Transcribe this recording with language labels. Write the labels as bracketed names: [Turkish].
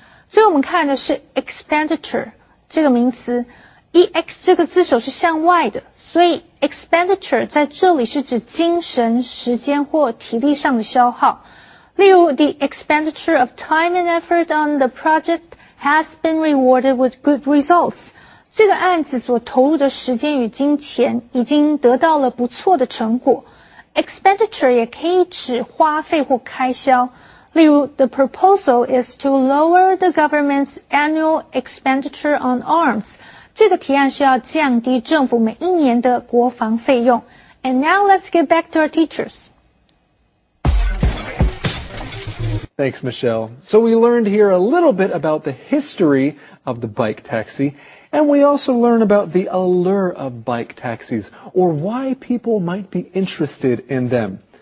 [Chinese] 所以我们看的是 expenditure 这个名词， EX 这个字首是向外的，所以 expenditure 在这里是指精神、时间或体力上的消耗。 [English] 例如 the expenditure of time and effort on the project has been rewarded with good results. [Chinese] 这个案子所投入的时间与金钱已经得到了不错的成果。 Expenditure 也可以指花费或开销。 [English] 例如 ,the proposal is to lower the government's annual expenditure on arms. [Chinese] 这个提案是要降低政府每一年的国防费用。 [English] And now let's get back to our teachers. Thanks, Michelle. So we learned here a little bit about the history of the bike taxi. And we also learn about the allure of bike taxis, or why people might be interested in them.